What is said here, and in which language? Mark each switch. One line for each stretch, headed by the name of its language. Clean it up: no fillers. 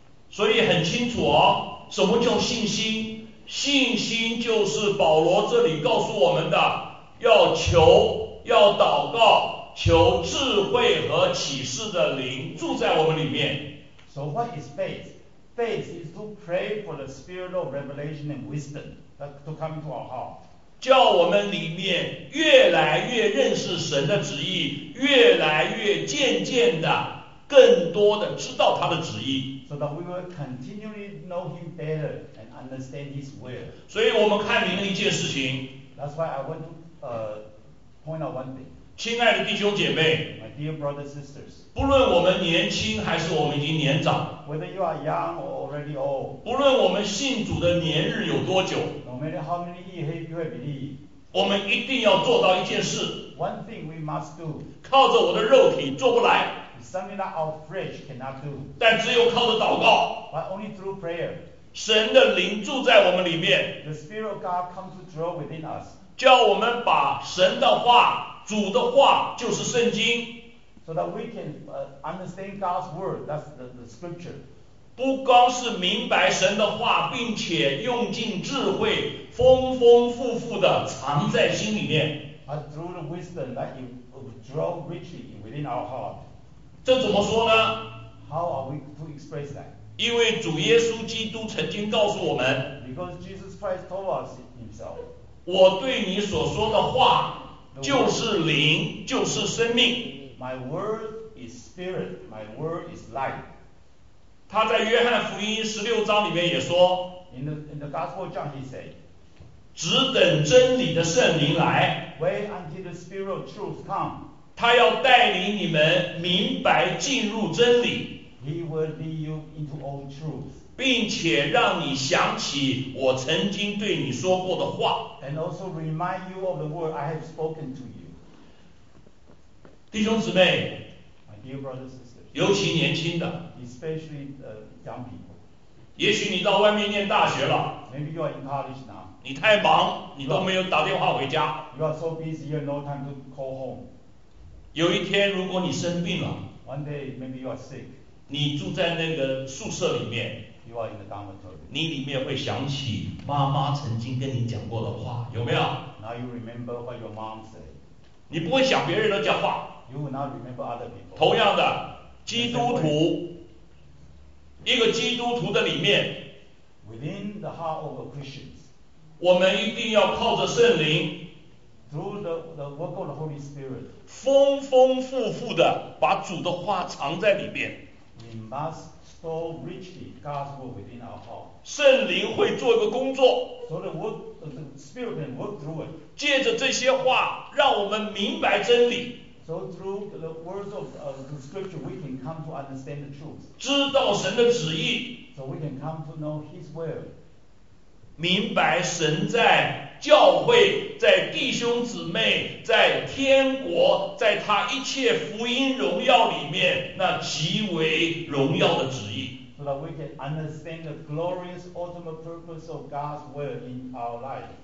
Chinese: 所以很清楚哦，什么叫信心？信心就是保罗这里告诉我们的，要求，要祷告，求智慧和启示的灵住在我们里面。
English: So what is faith? Faith is to pray for the spirit of revelation and wisdom to come into our heart.
Chinese: 叫我们里面越来越认识神的旨意，越来越渐渐的更多的知道他的旨意。
English: So that we will continually know him better and understand his will.
Chinese: 所以我们看明了一件事情。
English: That's why I want to point out one thing.
Chinese: 亲爱的弟兄姐妹，
English: My dear brothers and sisters.
Chinese: 不论我们年轻还是我们已经年长，
English: Whether you are young or already old.
Chinese: 不论我们信主的年日有多久，
English: No matter how many years you have believed.
Chinese: 我们一定要做到一件事。
English: One thing we must do.
Chinese: 靠着我的肉体做不来。
English: Something that our flesh cannot do.
Chinese: 但只有靠着祷告。
English: But only through prayer.
Chinese: 神的灵住在我们里面。
English: The Spirit of God comes to dwell within us.
Chinese: 叫我们把神的话，主的话，就是圣经。
English: So that we can understand God's word, that's the scripture.
Chinese: 不光是明白神的话，并且用尽智慧，丰丰富富的藏在心里面。
English: But through the wisdom that you draw richly within our heart.
Chinese: 这怎么说呢？
English: How are we to express that?
Chinese: 因为主耶稣基督曾经告诉我们，
English: Because Jesus Christ told us himself,
Chinese: 我对你所说的话就是灵，就是生命。
English: My word is spirit, my word is life.
Chinese: 他在约翰福音十六章里面也说，
English: In the Gospel of John he said,
Chinese: 只等真理的圣灵来，
English: Wait until the spirit of truth comes.
Chinese: 他要带领你们明白进入真理，
English: He will lead you into all truth.
Chinese: 并且让你想起我曾经对你说过的话。
English: And also remind you of the word I have spoken to you.
Chinese: 弟兄姊妹，
English: My dear brothers and sisters,
Chinese: 尤其年轻的，
English: Especially the young people.
Chinese: 也许你到外面念大学了，
English: Maybe you are in college now.
Chinese: 你太忙，你都没有打电话回家。
English: You are so busy, you have no time to call home.
Chinese: 有一天如果你生病了，
English: One day, maybe you are sick.
Chinese: 你住在那个宿舍里面，
English: you are in the dormitory.
Chinese: 你里面会想起妈妈曾经跟你讲过的话，有没有？
English: Now you remember what your mom said.
Chinese: 你不会想别人的讲话，
English: you will not remember other people.
Chinese: 同样的，基督徒，一个基督徒的里面，
English: Within the heart of a Christians,
Chinese: 我们一定要靠着圣灵，
English: Through the work of the Holy Spirit,
Chinese: 丰丰富富的把主的话藏在里面。
English: We must store richly God's word within our heart.
Chinese: 圣灵会做一个工作。
English: So the Spirit can work through it.
Chinese: 借着这些话，让我们明白真理。
English: So through the words of the Scripture, we can come to understand the truth.
Chinese: 知道神的旨意。
English: So we can come to know His will.
Chinese: 明白神在教会，在弟兄姊妹，在天国，在他一切福音荣耀里面那极为荣耀的旨意。
English: So that we can understand the glorious ultimate purpose of God's will in our life.